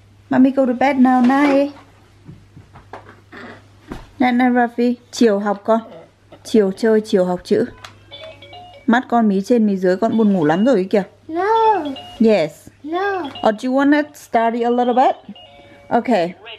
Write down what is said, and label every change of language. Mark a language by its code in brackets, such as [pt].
[en] Mommy go to bed now, night. Night, night, Rafi. [vi] Chiều học con. Chiều chơi, chiều học chữ. Mắt con mí trên, mí dưới, con buồn ngủ lắm rồi kìa. [en] No. Yes. No. Or do you want to study a little bit? Okay.